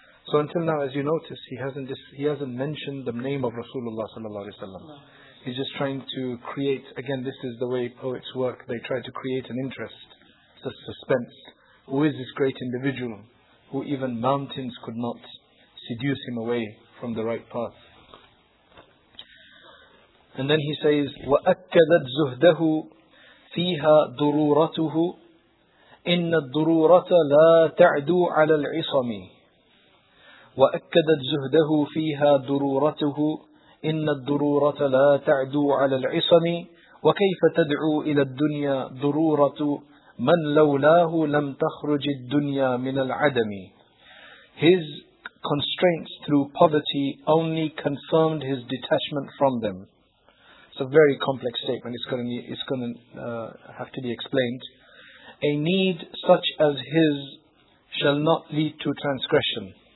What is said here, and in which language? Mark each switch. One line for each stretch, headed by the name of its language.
English: So until now, as you notice, he hasn't mentioned the name of Rasulullah sallallahu alaihi wasallam. He's just trying to create, again, this is the way poets work. They try to create an interest, a suspense. Who is this great individual who even mountains could not seduce him away from the right path? And then he says,
Arabic: وَأَكَّدَتْ زُهْدَهُ فِيهَا ضُرُورَتُهُ إِنَّ الضُّرُورَةَ لَا تَعْدُو عَلَى الْعِصَمِ وَأَكَّدَتْ زُهْدَهُ فِيهَا ضُرُورَتُهُ إن الضرورة لا تعدو على العصم وكيف تدعو إلى الدنيا ضرورة من لولاه لم تخرج الدنيا من العدم.
English: His constraints through poverty only confirmed his detachment from them. It's a very complex statement. It's going to have to be explained. A need such as his shall not lead to transgression.